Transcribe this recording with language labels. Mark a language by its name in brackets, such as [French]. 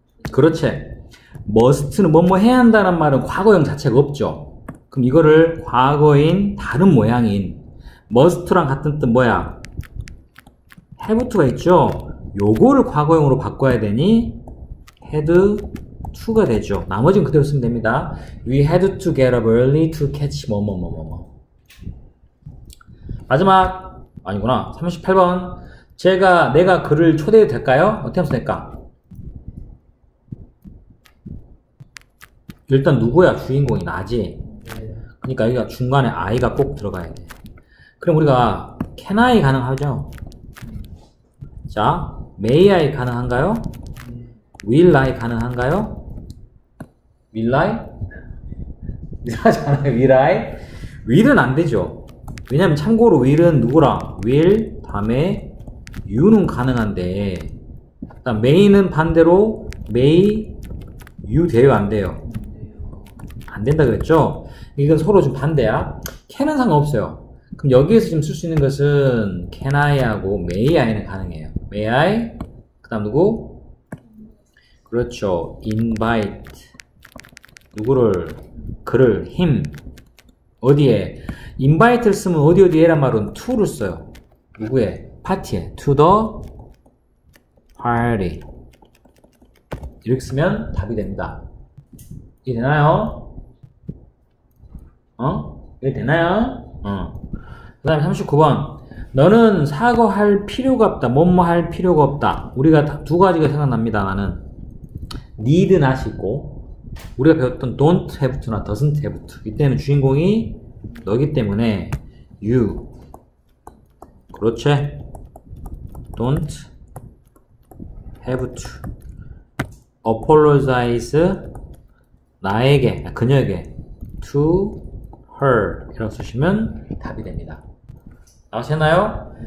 [Korean] 그렇지. must는 뭐뭐 해야 한다는 말은 과거형 자체가 없죠. 그럼 이거를 과거인 다른 모양인 must랑 같은 뜻 뭐야? have to가 있죠. 요거를 과거형으로 바꿔야 되니 had to가 되죠. 나머지는 그대로 쓰면 됩니다. [English] We had to get up early to catch [Korean] 뭐뭐뭐뭐뭐. 마지막 아니구나. 38번. 내가 그를 초대해도 될까요? 어떻게 하면 될까? 일단 누구야? 주인공이 나지. 그러니까 여기가 중간에 I가 꼭 들어가야 돼. 그럼 우리가 can I 가능하죠? 자, may I 가능한가요? will I 가능한가요? will I? 이상하지 않아요? will I? will은 안 되죠. 왜냐면 참고로 will은 누구랑? will 다음에 you는 가능한데, 그다음 may는 반대로 may you 돼요? 안 돼요? 안 된다 그랬죠? 이건 서로 좀 반대야. can은 상관없어요. 그럼 여기에서 지금 쓸수 있는 것은 can I 하고 may I는 가능해요. may I? 그다음 누구? 그렇죠. invite. 누구를? 그를. him. 어디에? invite를 쓰면 어디 어디에란 말은 to를 써요. 누구의? 파티에. to the party. 이렇게 쓰면 답이 됩니다. 이해 되나요? 어? 이게 되나요? 그 다음에 39번. 너는 사과할 필요가 없다. 뭐뭐 할 필요가 없다. 우리가 두 가지가 생각납니다. 나는 need not 있고, 우리가 배웠던 don't have to나 doesn't have to. 이때는 주인공이 너기 때문에 you. 그렇지? [English] don't have to apologize [Korean] 나에게, 그녀에게 to her 이렇게 쓰시면 답이 됩니다. 나오셨나요?